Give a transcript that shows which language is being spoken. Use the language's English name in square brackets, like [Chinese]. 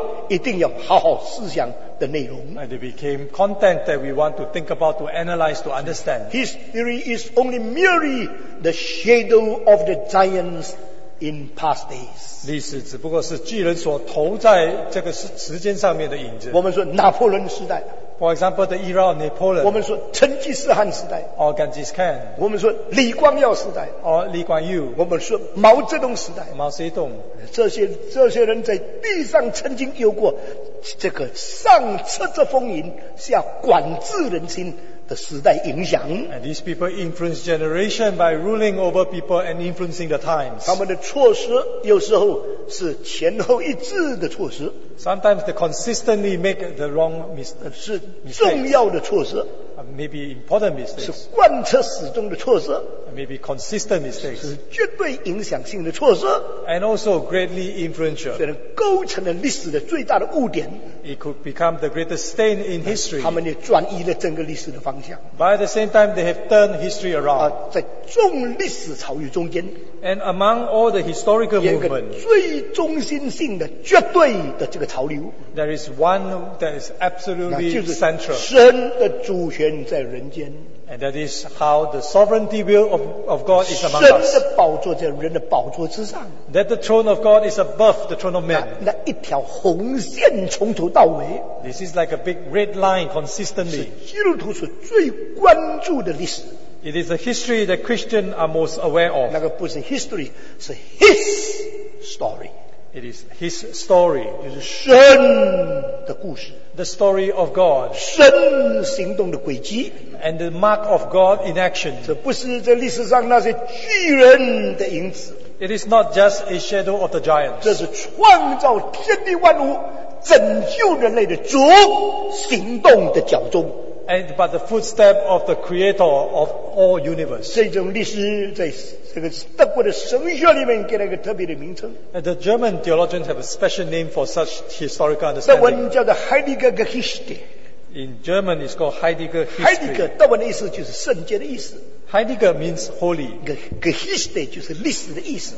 [English] And it became content that we want to think about, to analyze, to understand. History is only merely the shadow of the giants in past days. [Chinese] 历史只不过是巨人所投在这个时间上面的影子。我们说拿破仑时代, [English] for example, the era of Napoleon. [Chinese] 我们说成吉思汗时代, [English] or Genghis Khan. [Chinese] 我们说李光耀时代, [English] or Lee Kuan Yew. [Chinese] 我们说毛泽东时代, 毛泽东。这些人在地上曾经有过 这个上策之风云下管制人心的时代影响。 [English] And these people influence generation by ruling over people and influencing the times. [Chinese] 他们的措施有时候是前后一致的措施。 [English] Sometimes they consistently make the wrong mistakes. [Chinese] 是重要的措施。 [English] Maybe important mistakes. [Chinese] 是贯彻始终的措施。 [English] Maybe consistent mistakes. [Chinese] 是绝对影响性的措施。 [English] And also greatly influential. [Chinese] 所以构成了历史的最大的污点。 [English] It could become the greatest stain in history. [Chinese] 他们也转移了整个历史的方向。 [English] By the same time, they have turned history around. [Chinese] 在众历史潮流中间, [English] and among all the historical movement, [Chinese] 最中心性的绝对的这个潮流, [English] there is one that is absolutely central. [Chinese] 神的主权在人间, [English] and that is how the sovereignty will of God is among us. [Chinese] 神的宝座在人的宝座之上, [English] that the throne of God is above the throne of man. [Chinese] 那一条红线从头到尾, [English] this is like a big red line consistently. [Chinese] 是基督徒所最关注的历史。 [English] It is the history that Christians are most aware of. [Chinese] 那个不是 history, 是 [English] his story. It is his story. [Chinese] 就是神的故事, [English] the story of God. [Chinese] 神行动的轨迹, [English] and the mark of God in action. [Chinese] 这不是在历史上那些巨人的影子, [English] it is not just a shadow of the giants. [Chinese] 这是创造天地万物, 拯救人类的主行动的脚踪, [English] but the footstep of the creator of all universe. [Chinese] 这种历史在这个德国的神学里面给了一个特别的名称。 [English] And the German theologians have a special name for such historical understanding. [Chinese] 德文叫做 Heidegger Geschichte. [English] In German, it's called Heidegger History. [Chinese] Heidegger 德文的意思就是圣洁的意思。 [English] Heidegger means holy. [Chinese] Geschichte 就是历史的意思。